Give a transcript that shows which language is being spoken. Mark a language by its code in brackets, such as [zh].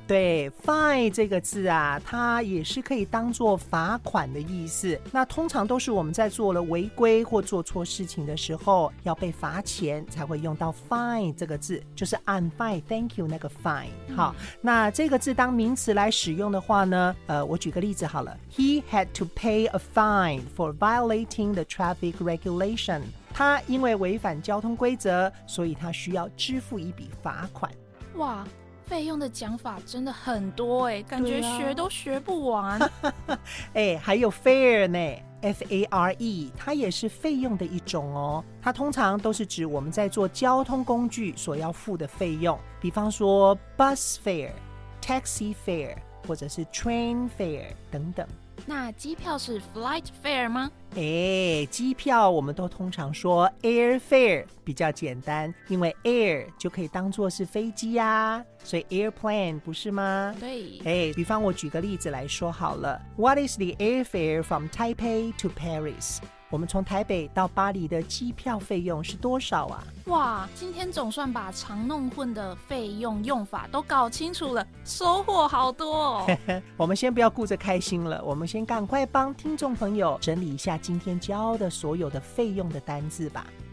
[zh] 对， fine 这个字啊，它也是可以当作罚款的意思。那通常都是我们在做了违规或做错事情的时候要被罚钱才会用到 fine 这个字，就是 I'm fine thank you 那个 fine。好，那这个字当名词来使用的话呢，我举个例子好了。 [en] He had to pay a fine for violating the traffic regulation。 [zh] 他因为违反交通规则，所以他需要支付一笔罚款。哇，费用的讲法真的很多耶，感觉学都学不完。还有 fare 呢， F-A-R-E， 它也是费用的一种哦。它通常都是指我们在坐交通工具所要付的费用，比方说 bus fare、 taxi fare 或者是 train fare 等等。那机票是 flight fare 吗？机票我们都通常说 air fare 比较简单，因为 air 就可以当作是飞机啊，所以 airplane 不是吗？对。比方我举个例子来说好了。 [en] What is the air fare from Taipei to Paris？ [zh] 我们从台北到巴黎的机票费用是多少啊？哇，今天总算把常弄混的费用用法都搞清楚了，收获好多哦。我们先不要顾着开心了，我们先赶快帮听众朋友整理一下今天教的所有的费用的单字吧。